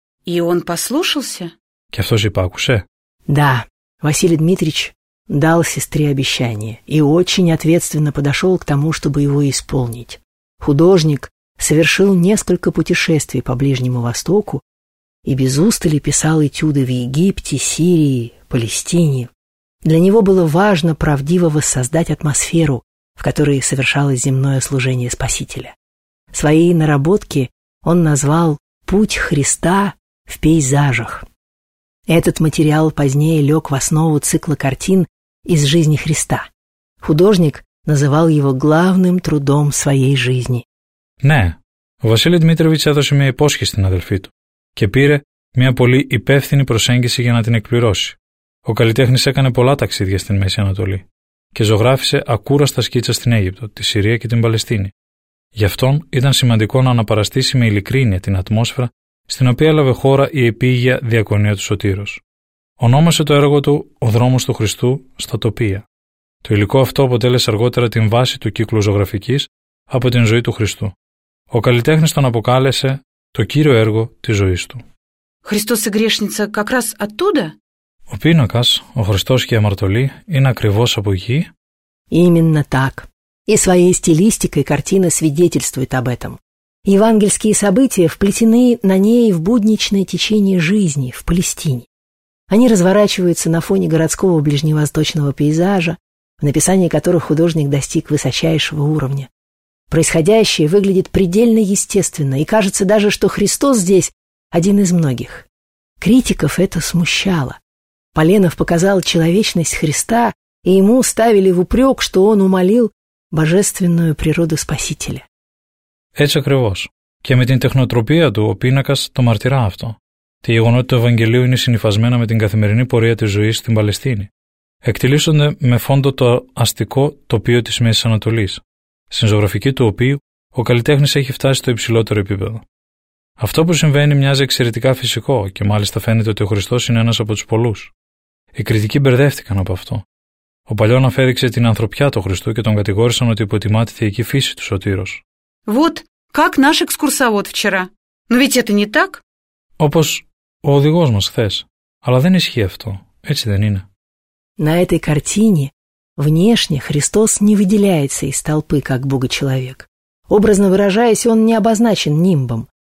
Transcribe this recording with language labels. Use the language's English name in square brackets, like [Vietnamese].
[Russian] И он послушался? [Greek] Και αυτός υπάκουσε. [Russian] Да, Василий Дмитриевич дал сестре обещание и очень ответственно подошел к тому, чтобы его исполнить. Художник совершил несколько путешествий по Ближнему Востоку и без устали писал этюды в Египте, Сирии, Палестине. Для него было важно правдиво воссоздать атмосферу, в которой совершалось земное служение Спасителя. Свои наработки он назвал «Путь Христа в пейзажах». Этот материал позднее лег в основу цикла картин «Из жизни Христа». Художник называл его главным трудом своей жизни. [Greek] Ναι, ο Василий Дмитриевич έδωσε μια υπόσχεση στην αδελφή του και πήρε μια πολύ υπεύθυνη προσέγγιση για να την εκπληρώσει. Ο καλλιτέχνης έκανε πολλά ταξίδια στην Μέση Ανατολή και ζωγράφισε ακούραστα σκίτσα στην Αίγυπτο, τη Συρία και την Παλαιστίνη. Γι' αυτόν ήταν σημαντικό να αναπαραστήσει με ειλικρίνεια την ατμόσφαιρα στην οποία έλαβε χώρα η επίγεια διακονία του Σωτήρος. Ονόμασε το έργο του «Ο δρόμος του Χριστού στα τοπία». Το υλικό αυτό αποτέλεσε αργότερα την βάση του κύκλου ζωγραφικής από την ζωή του Χριστού. Ο καλλιτέχνης τον αποκάλεσε το κύριο έργο της ζωής του. Χριστός και [Russian] Грешница как раз оттуда? [Greek] Ο πίνακας, ο Χριστός και η Αμαρτωλή, είναι ακριβώς από εκεί. [Russian] Именно так. И своей стилистикой картина свидетельствует об этом. Евангельские события вплетены на ней в будничное течение жизни в Палестине. Они разворачиваются на фоне городского ближневосточного пейзажа, в написании которых художник достиг высочайшего уровня. Происходящее выглядит предельно естественно, и кажется даже, что Христос здесь один из многих. Критиков это смущало. Поленов показал человечность Христа, и ему ставили в упрек, что он умолил божественную природу Спасителя. [Greek] Έτσι ακριβώς. Και με την τεχνοτροπία του, ο πίνακας το μαρτυρά αυτό. Τη γεγονότητα του Ευαγγελίου είναι συνυφασμένα με την καθημερινή πορεία της ζωής στην Παλαιστίνη. Εκτελήσονται με φόντο το αστικό τοπίο της Μέσης Ανατολής, στην ζωγραφική του οποίου ο καλλιτέχνης έχει φτάσει στο υψηλότερο επίπεδο. Αυτό που συμβαίνει μοιάζει εξαιρετικά φυσικό και μάλιστα φαίνεται ότι ο Χριστός είναι ένας από τους πολλούς. Οι κριτικοί μπερδεύτηκαν από αυτό. Ο Παλιώναφ έδειξε την ανθρωπιά του Χριστού και τον κατηγόρησαν ότι υποτιμά τη θεϊκή φύση του Σωτήρος. [Russian] Вот как наш экскурсовод вчера. Но ведь это не так. [Greek] Όπως ο οδηγός μας χθες. Αλλά δεν ισχύει αυτό. Έτσι δεν είναι. [Russian] На этой картине внешне Христос не выделяется из толпы, как Бог-человек. Образно выражаясь, он не обозначен нимбом.